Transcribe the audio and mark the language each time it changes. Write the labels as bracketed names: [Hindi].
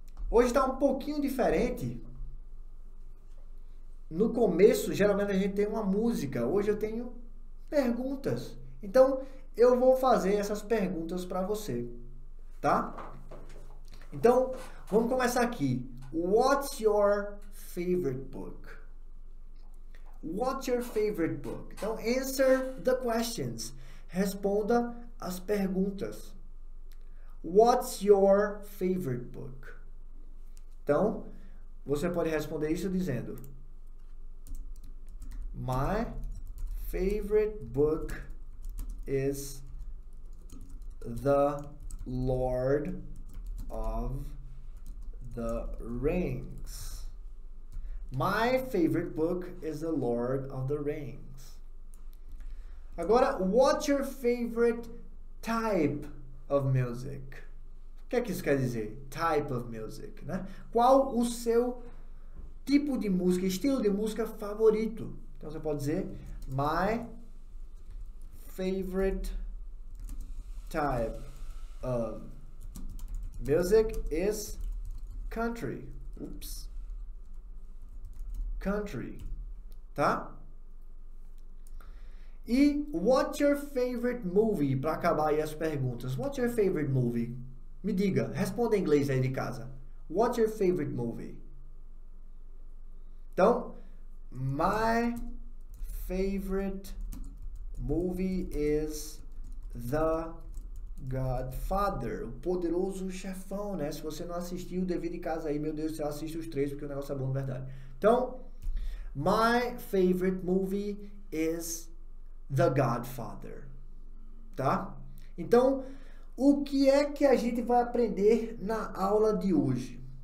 [Portuguese] Hoje tá um pouquinho diferente. No começo, geralmente a gente tem uma música. Hoje eu tenho perguntas. Então, eu vou fazer essas perguntas para você, tá? Então, vamos começar aqui. [English] What's your favorite book? What's your favorite book? [Portuguese] Então, [English] answer the questions. [Portuguese] Responda as perguntas. [English] What's your favorite book? [Portuguese] Então, você pode responder isso dizendo: [English] My favorite book is The Lord of the Rings. My favorite book is The Lord of the Rings. [Portuguese] Agora, [English] what's your favorite type of music? [Portuguese] O que é que isso quer dizer? [English] Type of music, [Portuguese] né? Qual o seu tipo de música, estilo de música favorito? Então, você pode dizer, [English] my favorite type of music is country. Oops. [Portuguese] Country, tá? [English] E what's your favorite movie? [Portuguese] Para acabar aí as perguntas. [English] What's your favorite movie? [Portuguese] Me diga, responda em inglês aí de casa. [English] What's your favorite movie? [Portuguese] Então, [English] my favorite movie is The Godfather. [Portuguese] O Poderoso Chefão, né? Se você não assistiu, dever de casa aí, meu Deus, você assiste os três, porque o negócio é bom, na verdade. Então, [English] my favorite movie is The Godfather, tá? [Portuguese] Então, o que é que a gente vai aprender na aula de hoje?